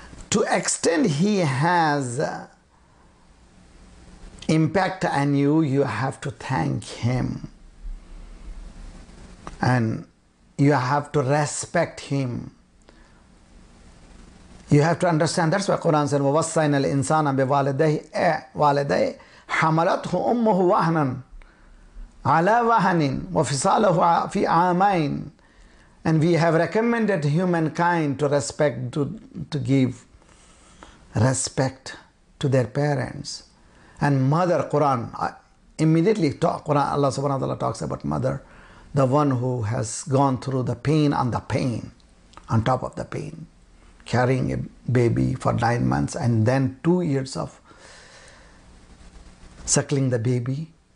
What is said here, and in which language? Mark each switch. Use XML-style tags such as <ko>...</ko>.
<en>To extent he has impact on you, you have to thank him. And you have to respect him. You have to understand, that's why Quran says,</en> <ar>وَوَصَّيْنَا الْإِنسَانَ بِوَالِدَيْهِ حَمَلَتْهُ أُمُّهُ وَهْنًا عَلَى وَهْنٍ وَفِصَالَهُ فِي عَامَيْنِ.</ar> <en>And we have recommended humankind to respect, to give respect to their parents. And mother, Quran, immediately Quran, Allah subhanahu wa ta'ala talks about mother, the one who has gone through the pain on the pain, on top of the pain, carrying a baby for 9 months and then 2 years of suckling the baby.</en>